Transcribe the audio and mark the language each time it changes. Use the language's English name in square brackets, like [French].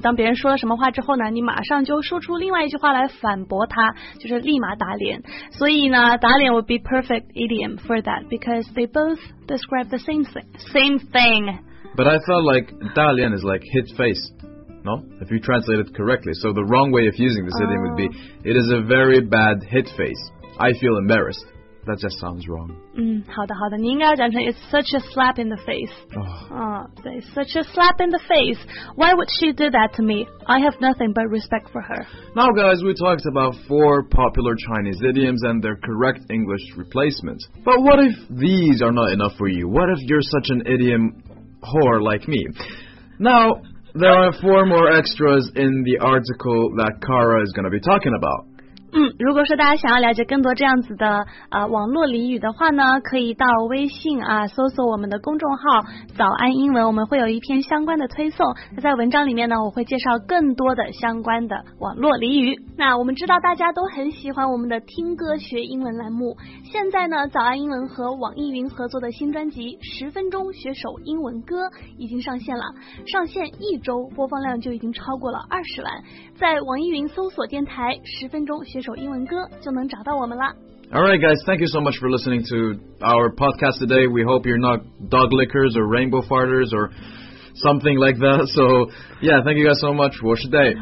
[Chinese] 当别人说了什么话之后呢，你马上就说出另外一句话来反驳他，就是立马打脸。 [English] 所以呢，打脸 would be perfect idiom for that because they both describe the same thing. But I thought like 打脸 is like hit face. No, if you translate it correctly. So the wrong way of using this idiom would be, it is a very bad hit face. I feel embarrassed. That just sounds wrong. [Chinese] 好的好的，你应该讲成 [English] it's such a slap in the face. Oh. It's such a slap in the face. Why would she do that to me? I have nothing but respect for her. Now guys, we talked about four popular Chinese idioms and their correct English replacements. But what if these are not enough for you? What if you're such an idiom whore like me? Now... There are four more extras in the article that Kara is going to be talking about. [Chinese] 如果说大家想要了解更多这样子的、网络俚语的话呢，可以到微信啊搜索我们的公众号早安英文，我们会有一篇相关的推送。在文章里面呢，我会介绍更多的相关的网络俚语。那我们知道大家都很喜欢我们的听歌学英文栏目，现在呢，早安英文和网易云合作的新专辑《十分钟学首英文歌》已经上线了，上线一周播放量就已经超过了20万，在网易云搜索电台《十分钟学首英文歌》就能找到我们了。 [English] All right, guys, thank you so much for listening to our podcast today. We hope you're not dog lickers or rainbow farters or something like that. So, yeah, thank you guys so much. [Chinese] 我是 [English] Day，